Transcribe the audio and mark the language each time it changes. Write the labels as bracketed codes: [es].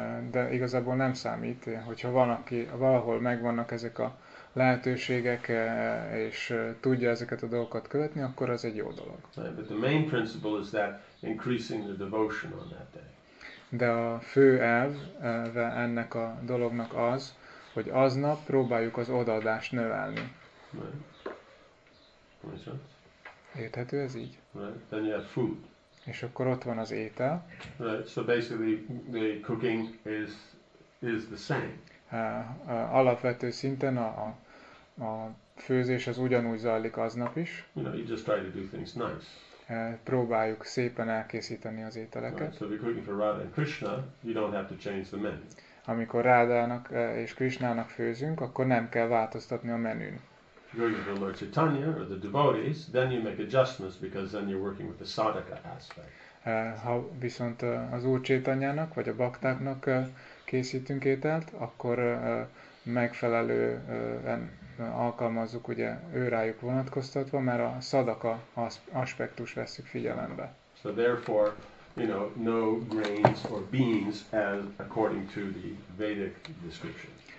[hu] De igazából nem számít, hogyha valaki, valahol megvannak ezek a lehetőségek, és tudja ezeket a dolgokat követni, akkor az egy jó dolog. [en] Right, but the main principle is that increasing the devotion on that day. [hu] De a fő elve ennek a dolognak az, hogy aznap próbáljuk az odaadást növelni. [en] Right. [hu] Érthető ez így? [en] Right. Then you have food. [hu] És akkor ott van az étel. [en] Right. So basically the cooking is the same. [hu] Alapvető szinten a főzés az ugyanúgy zajlik aznap is. [en] You know, you just try to do things nice. [hu] Próbáljuk szépen elkészíteni az ételeket. [en] Right, so we're cooking for Radha and Krishna, you don't have to change the menu. [hu] Amikor Rádának és Krishnának főzünk, akkor nem kell változtatni a menün. [en] If you're cooking for Lord Chaitanya or the devotees, then you make adjustments because then you're working with the sadhaka aspect. [hu] Ha viszont az Úr Chaitanyának vagy a baktáknak készítünk ételt, akkor megfelelően alkalmazzuk ugye őrájuk vonatkoztatva, mert a szadaka aspektus veszük figyelembe. [en] So therefore, you know, no grains or beans as according to the Vedic description.